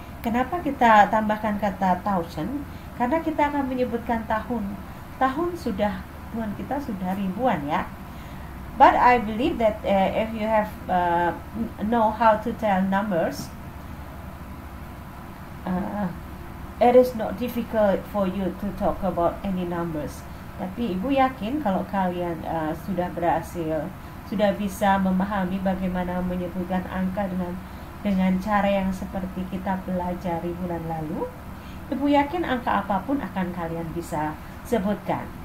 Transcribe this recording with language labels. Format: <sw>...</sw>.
<id>Kenapa kita tambahkan kata thousand? Karena kita akan menyebutkan tahun. Tahun sudah, Tuhan kita sudah ribuan ya.</id> <en>But I believe that if you have know how to tell numbers, it is not difficult for you to talk about any numbers.</en> <id>Tapi Ibu yakin kalau kalian sudah bisa memahami bagaimana menyebutkan angka dengan cara yang seperti kita pelajari bulan lalu, Ibu yakin angka apapun akan kalian bisa sebutkan.</id>